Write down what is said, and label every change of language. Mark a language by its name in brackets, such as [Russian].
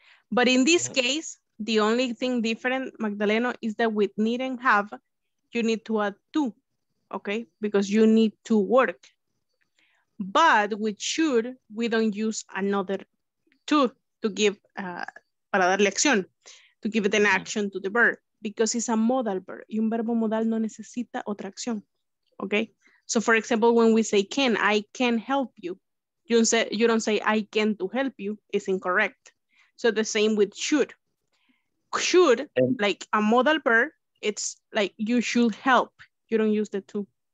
[English] But in this case, the only thing different, Magdaleno, is that with need and have, you need to add to. Okay, because you need to work. But with should, we don't use another to give, [Spanish] para darle acción, [English] to give it an action to the verb, because it's a modal verb. [Spanish] Y un verbo modal no necesita otra acción. [English] Okay, so for example, when we say can, I can help you. You don't say I can to help you, it's incorrect. So the same with should. Should, like a modal verb, it's like you should help. You don't use the two.